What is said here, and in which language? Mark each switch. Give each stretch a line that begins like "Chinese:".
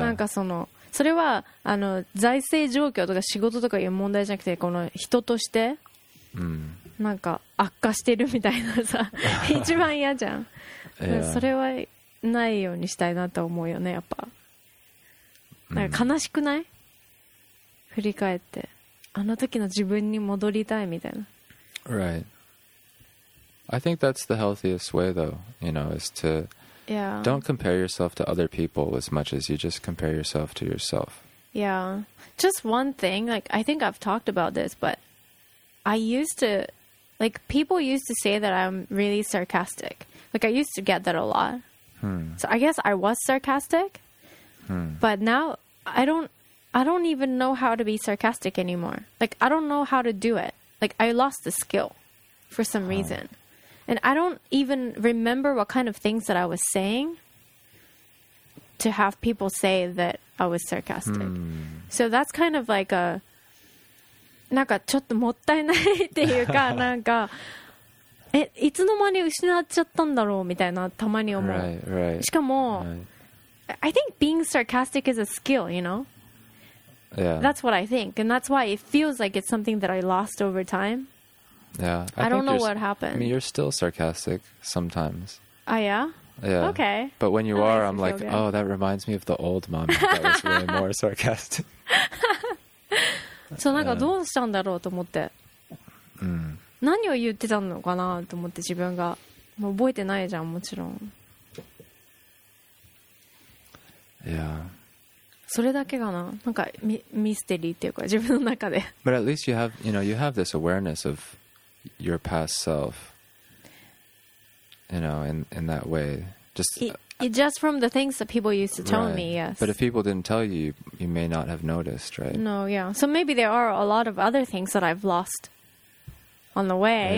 Japanese: なんかそのそれはあの財政状況とか仕事とかいう問題じゃなくて、この人としてなんか悪化してるみたいなさ、一番嫌じゃん。
English: Yeah.
Japanese: それはないようにしたいなと思うよね、やっぱ。なんか悲しくない？振り返ってあの時の自分に戻りたいみたいな。
English: Right. I think that's the healthiest way though, you know, is to Yeah. Don't compare yourself to other people as much as you just compare yourself to yourself. Yeah. Just one thing, like, I think I've talked about this, but I used to, like, people used to say that I'm really sarcastic. Like, I used to get that a lot. So I guess I was sarcastic. But now I don't even know how to be sarcastic anymore. Like, I don't know how to do it. Like, I lost the skill for some reason. And I don't even remember what kind of things that I was saying to have people say that I was sarcastic. So that's kind of like a...
Japanese: なんかちょっともったいないっていうか、なんか、え、いつの間に失っちゃったんだろうみたいな、たまに思う。
English: Right, right.
Japanese: しかも、
English: right. I think being sarcastic is a skill, you know? Yeah. That's what I think. And that's why it feels like it's something that I lost over time. Yeah, I don't know what happened. I mean, you're still sarcastic sometimes. Oh, yeah? Yeah. Okay. But when you are, I'm like, oh, that reminds me of the old mommy that was way more sarcastic.
Japanese: So, なんかどうしたんだろうと思って。何を言ってたのかなと思って自分が。もう覚えてないじゃん、もちろん。 Yeah. それだけかな、なんかミステリーっていうか自分の中で。
English: But at least you have, you know, you have this awareness of your past self, you know, in that way. Just from the things that people used to tell me, yes. But if people didn't tell you, you may not have noticed, right? No, yeah. So maybe there are a lot of other things that I've lost on the way.